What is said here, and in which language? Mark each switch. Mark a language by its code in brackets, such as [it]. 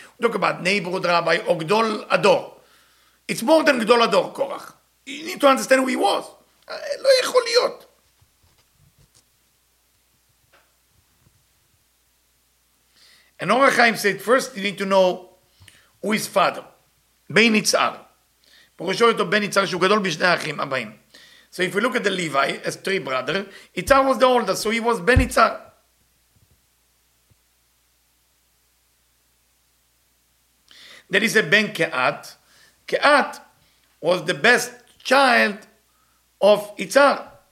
[en] We talk about neighborhood rabbi, Ogdol Ador. It's more than Gdol Ador Korach. You need to understand who he was. [he] Lo yechol liot. [en] And Or HaChaim said, first you need to know [he] הוא [en] his father. [he] בן יצהר. פרושו אותו בן יצהר שהוא גדול בשני האחים הבאים. [en] So if we look at the Levi as three brother, Yitzhar was the oldest, so he was Ben Yitzhar. There is a Ben Keat. Keat was the best child of Yitzhar.